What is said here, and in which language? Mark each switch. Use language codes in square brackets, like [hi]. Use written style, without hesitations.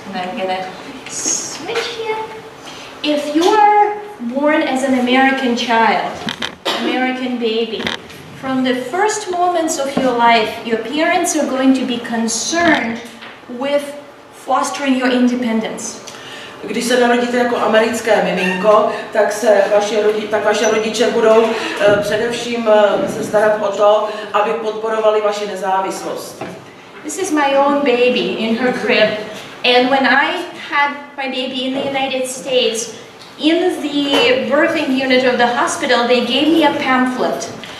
[en] And I'm gonna switch here. If you are born as an American child, American baby, from the first moments of your life, your parents are going to be concerned with fostering your independence. [cs] Když se narodíte jako americké miminko, tak se vaše rodiče budou především se starat o to, aby podporovali vaši nezávislost. [en] This is my own baby in her crib, and when I had my baby in the United States, in the birthing unit of the hospital, they gave me a pamphlet.